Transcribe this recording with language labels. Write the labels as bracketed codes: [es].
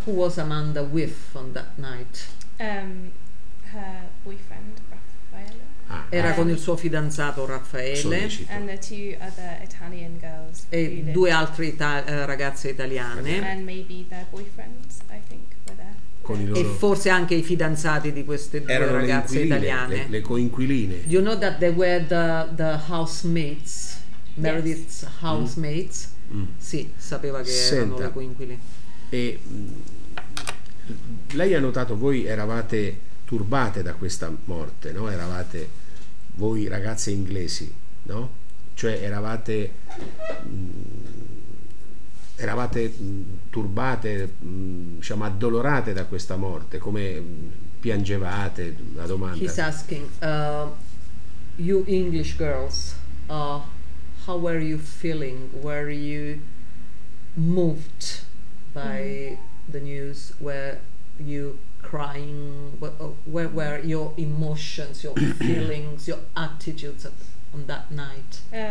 [en] Who was Amanda with on that night? Her boyfriend Raffaele. [it] Era con il suo fidanzato Raffaele. [en] And the two other Italian girls. [it] E due altre ragazze italiane. [en] And maybe their boyfriends, I think, were there. [it] Con i loro... E forse anche i fidanzati di queste due erano ragazze italiane. Le coinquiline. [en] You know that they were the housemates, Meredith's housemates. [it] Sì, sapeva che Senta, erano le coinquiline. E lei ha notato, voi eravate turbate da questa morte, no? Eravate voi ragazze inglesi, no? Cioè eravate turbate, diciamo addolorate da questa morte, come piangevate, la domanda. [en] He's asking, you English girls, how were you feeling? Were you moved by the news? Were you crying? Where were your emotions, your feelings, your attitudes on that night?